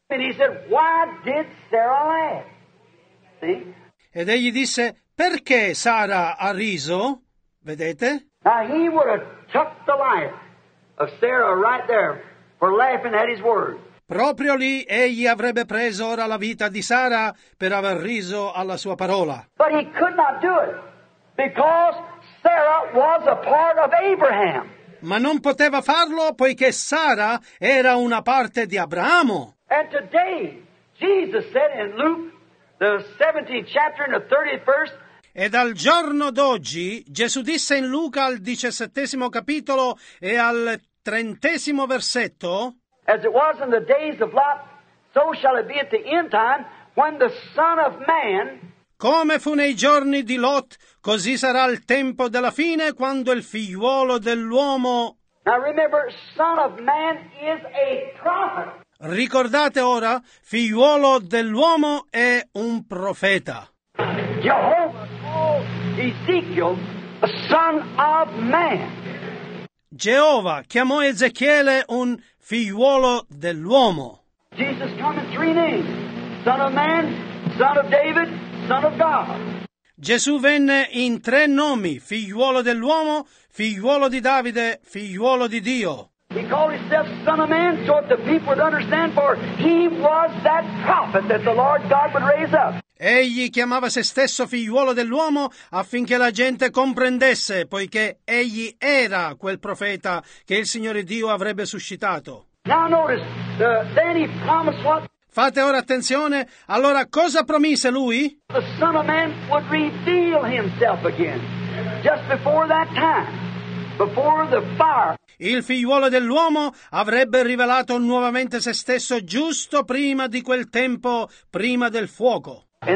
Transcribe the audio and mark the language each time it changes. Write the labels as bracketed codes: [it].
[en] And he said, why did Sarah laugh? See? [it] Ed egli disse, perché Sara ha riso? Vedete? [en] Now he would have tucked the life of Sarah right there for laughing at his word. [it] Proprio lì egli avrebbe preso ora la vita di Sara per aver riso alla sua parola. [en] But he could not do it because Sarah was a part of Abraham. [it] Ma non poteva farlo poiché Sara era una parte di Abramo. [en] And today, Jesus said in Luke, the 17th chapter and the 30th verse, [it] E dal giorno d'oggi, Gesù disse in Luca al 17° capitolo e al 30° versetto, [en] as it was in the days of Lot, so shall it be at the end time, when the Son of Man, [it] come fu nei giorni di Lot, così sarà il tempo della fine, quando il figliuolo dell'uomo, [en] now remember, Son of Man is a prophet. [it] Ricordate ora, figliuolo dell'uomo è un profeta. [en] Jehovah, Ezekiel, son of man. [it] Geova chiamò Ezechiele un figliuolo dell'uomo. [en] Jesus come in three names: son of man, son of David, son of God. [it] Gesù venne in tre nomi: figliuolo dell'uomo, figliuolo di Davide, figliuolo di Dio. [en] He called himself son of man so that the people would understand, for he was that prophet that the Lord God would raise up. [it] Egli chiamava se stesso figliuolo dell'uomo affinché la gente comprendesse, poiché egli era quel profeta che il Signore Dio avrebbe suscitato. [en] Now notice, then he promised what? [it] Fate ora attenzione, allora cosa promise lui? [en] The Son of Man would reveal himself again, just before that time, before the fire. [it] Il figliuolo dell'uomo avrebbe rivelato nuovamente se stesso giusto prima di quel tempo, prima del fuoco.